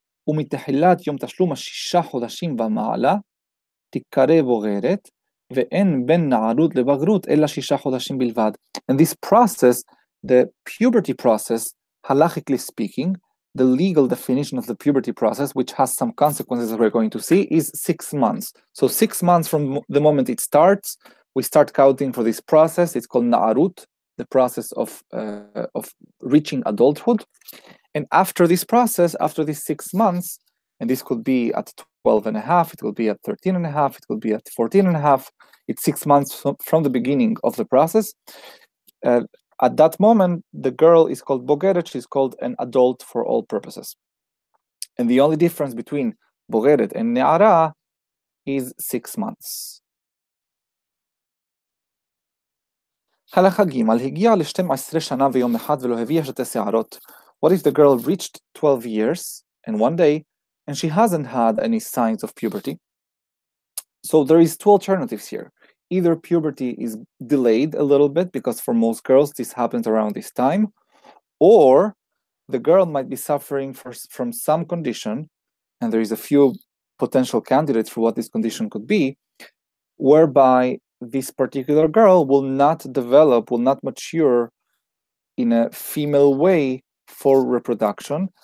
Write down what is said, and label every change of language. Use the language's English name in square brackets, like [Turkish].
[Hebrew] ומתחילת יום תשלום השישה חודשים ומעלה, תיקרא בוגרת, ואין בין נערות לבגרות, אלא שישה חודשים בלבד. [English] And this process, the puberty process, halachically speaking, the legal definition of the puberty process, which has some consequences that we're going to see, is 6 months. So 6 months from the moment it starts, we start counting for this process. It's called na'arut, the process of reaching adulthood. And after this process, after these 6 months, and this could be at 12 and a half, it could be at 13 and a half, it could be at 14 and a half, it's 6 months from the beginning of the process. At that moment, the girl is called bogeret, she's called an adult for all purposes. And the only difference between bogeret and ne'ara is 6 months. [Hebrew] הלכה ג' הגיעה ל-12 שנה ויום אחד ולא הביאה שתי שערות. [English] What if the girl reached 12 years and one day and she hasn't had any signs of puberty? So there is two alternatives here. Either puberty is delayed a little bit because for most girls this happens around this time, or the girl might be suffering from some condition, and there is a few potential candidates for what this condition could be, whereby this particular girl will not develop, will not mature in a female way for reproduction.